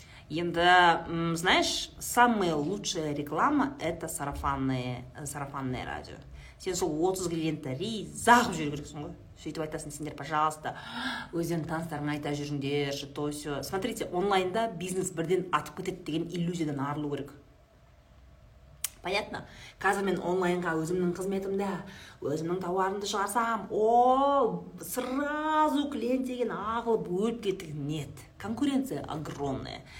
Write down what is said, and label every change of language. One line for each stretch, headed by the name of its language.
Russian: Енді, знаешь, самая лучшая реклама – это сарафанное радио.
Kazakh: Сен сол 30 клиентті риза қып жүру керексің ғой. Сөйтіп айтасың, сендер, пожалуйста, өздерің таныстарыңа айта жүріңдерші,
Russian: то все.
Kazakh: Смотрите, онлайнда бизнес бірден атып кетеді деген иллюзиядан арылу керек. Понятно? Қазір мен онлайнға өзімнің қызметімді, өзімнің тауарымды шығарсам, о, сразу клиент деген ағылып өліп кеттік.
Russian: Нет, конкуренция огромная.